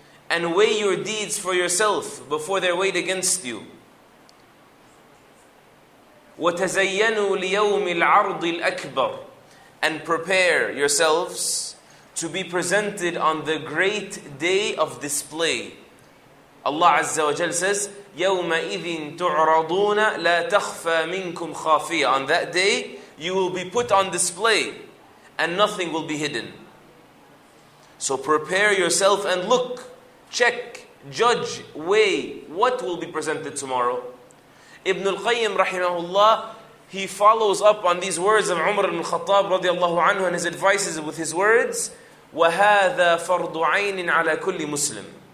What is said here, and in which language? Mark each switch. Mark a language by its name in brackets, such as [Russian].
[English] And weigh your deeds for yourself before they're weighed against you. [Arabic] وَتَزَيَّنُوا لِيَوْمِ الْعَرْضِ الْأَكْبَرِ. [English] And prepare yourselves to be presented on the great day of display. Allah Azza wa Jal says, [Arabic] يَوْمَ إِذٍ تُعْرَضُونَ لَا تَخْفَى مِنْكُمْ خَافِيَ. [English] On that day, you will be put on display and nothing will be hidden. So prepare yourself and look, check, judge, weigh what will be presented tomorrow. Ibn al-Qayyim rahimahullah, he follows up on these words of Umar ibn al-Khattab radiallahu anhu and his advices with his words, [Arabic] وَهَذَا فَرْضُ عَيْنٍ عَلَى كُلِّ مُسْلِمٍ.